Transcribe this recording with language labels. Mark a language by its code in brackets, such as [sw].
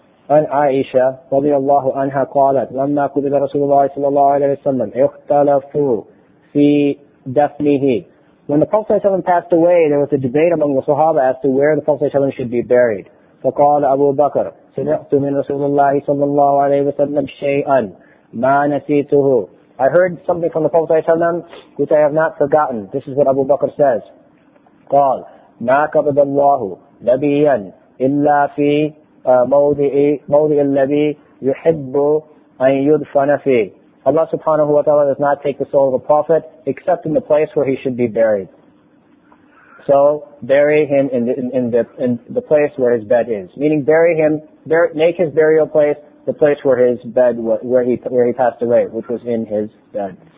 [ar] عن عائشة رضي الله عنها قالت لما قبض رسول الله صلى الله عليه وسلم اختلفوا في دفنه. [en] When the Prophet ﷺ passed away, there was a debate among the Sahaba as to where the Prophet ﷺ should be buried. [ar] فقال أبو بكر سمعت من رسول الله صلى الله عليه وسلم شيئا ما نسيته. [en] I heard something from the Prophet ﷺ which I have not forgotten. This is what Abu Bakr says. [ar] قال ما قبض الله نبيا إلا في موضع الذي يحب أن يدفن فيه. [en] Allah subhanahu wa ta'ala does not take the soul of a prophet except in the place where he should be buried. So bury him in the place where his bed is. Meaning make his burial place the place where his bed where he passed away, which was in his bed.